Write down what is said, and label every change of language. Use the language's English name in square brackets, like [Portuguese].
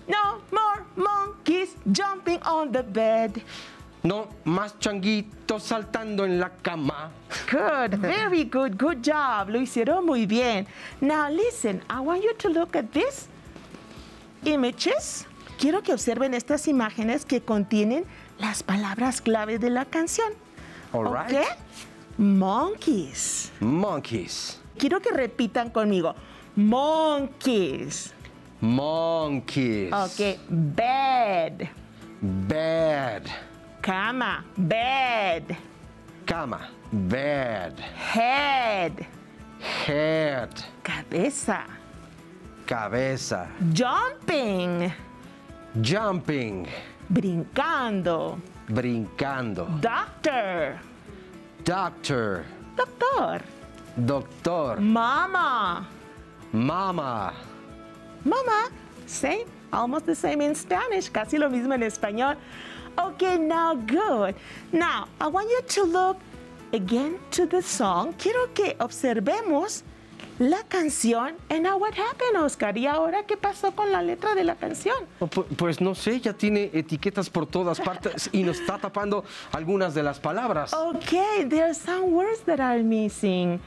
[English] No more monkeys jumping on the bed. [Spanish] No más changuitos saltando en la cama. [English] Good, very good, good job. [Spanish] Lo hicieron muy bien. [English] Now listen, I want you to look at these images. [Spanish] Quiero que observen estas imágenes que contienen las palabras clave de la canción. [English] All right. Okay? Monkeys. Monkeys. [Spanish] quiero que repitan conmigo. Monkeys. [English] Monkeys. Ok. Bed. Bed. [Spanish] Cama. Bed. Cama. Bed. [English] Head. Head. [Spanish] Cabeza. Cabeza. [English] Jumping. Jumping. [Spanish] Brincando. Brincando. [English] Doctor. Doctor. Doctor. Doctor. Mama. Mama. Mama. Same. Almost the same in Spanish. [Spanish] Casi lo mismo en español. [English] Okay, now good. Now, I want you to look again to the song. [Spanish] Quiero que observemos la canción. [English] And now what happened, Oscar? [Spanish] ¿Y ahora qué pasó con la letra de la canción? Pues no sé, ya tiene etiquetas por todas partes y nos está tapando algunas de las palabras. [English] Okay, there are some words that are missing.